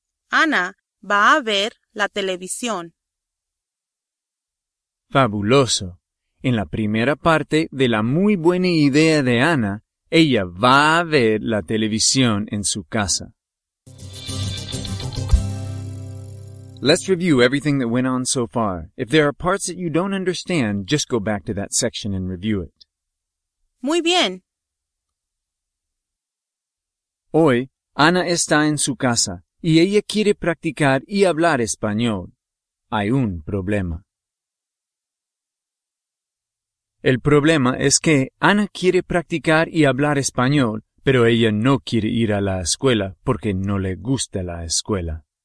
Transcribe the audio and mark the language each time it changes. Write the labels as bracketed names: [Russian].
[Spanish] Ana va a ver la televisión. Fabuloso. En la primera parte de la muy buena idea de Ana, ella va a ver la televisión en su casa. [English] Let's review everything that went on so far. If there are parts that you don't understand, just go back to that section and review it. [Spanish] Muy bien. Hoy, Ana está en su casa y ella quiere practicar y hablar español. Hay un problema. El problema es que Ana quiere practicar y hablar español, pero ella no quiere ir a la escuela porque no le gusta la escuela.